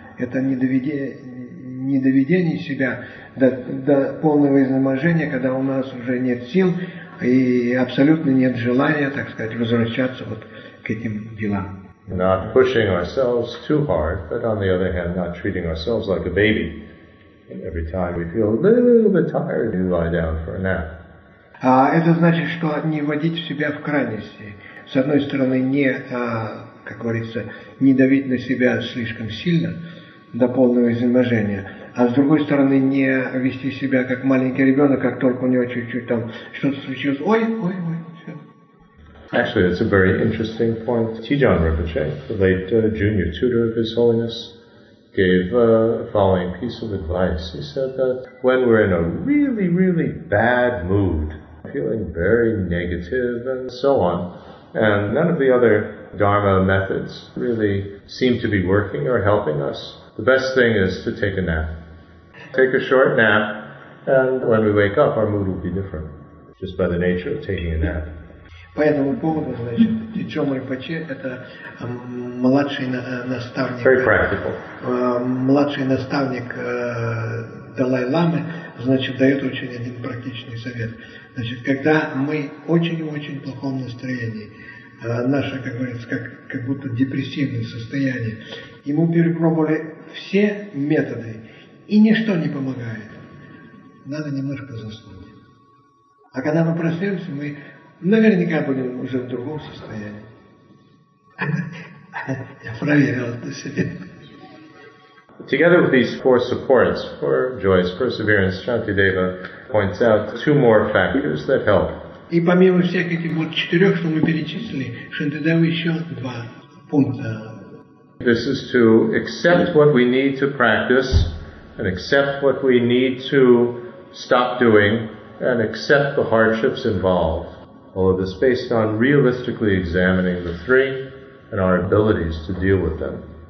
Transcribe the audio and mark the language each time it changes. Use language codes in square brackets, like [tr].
[ru] Это не доведение себя до полного изнеможения, когда у нас уже нет сил и абсолютно нет желания, так сказать, возвращаться вот к этим делам. [en] Not pushing ourselves too hard, but on the other hand, not treating ourselves like a baby. Every time we feel a little bit tired, we lie down for a nap. [ru] Это значит, что не вводить себя в крайности. С одной стороны, не, как говорится, не давить на себя слишком сильно до полного изнеможения, а с другой стороны, не вести себя как маленький ребенок, как только у него чуть-чуть там что-то случилось. Ой, все. [en] Actually, it's a very interesting point. Tijan Rinpoche, the late junior tutor of His Holiness, gave the following piece of advice. He said that when we're in a really, really bad mood, feeling very negative and so on, and none of the other Dharma methods really seem to be working or helping us, the best thing is to take a nap. Take a short nap, and when we wake up, our mood will be different, just by the nature of taking a nap. [ru] По этому поводу, значит, Тиджон Ринпоче – это младший наставник. [en] Very practical. [ru] Младший наставник Далай-ламы, значит, дает очень один практичный совет. Значит, когда мы очень-очень в плохом настроении, наше, как говорится, как будто депрессивное состояние, ему перепробовали все методы, и ничто не помогает. Надо немножко заснуть. А когда мы проснемся, мы наверняка будем уже в другом состоянии. Я проверил это себе. [en] Together with these four supports for joy's perseverance, Shantideva points out two more factors that help. [ru] И помимо всех этих вот четырех, что мы перечислили, Шантидева еще два пункта. [en] This is to accept what we need to practice and accept what we need to stop doing and accept the hardships involved. All of this based on realistically examining the three and our abilities to deal with them.